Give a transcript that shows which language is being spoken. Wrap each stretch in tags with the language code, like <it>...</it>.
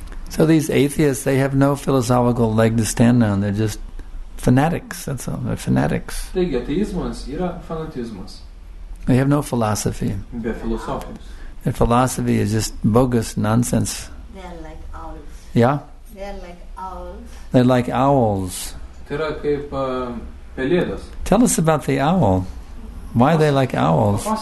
<en>So these atheists, they have no philosophical leg to stand on. They're just fanatics. That's all. They're fanatics.</en> <lt>Taigi, ateizmas yra fanatizmas.</lt> <en>They have no philosophy.</en> <lt>Be filosofijos.</lt> <en>Their philosophy is just bogus nonsense. They're like owls. Yeah? They're like owls. They're like owls.</en> <lt>Tai yra kaip pelėdos.</lt> <en>Tell us about the owl. Why are they like owls?</en>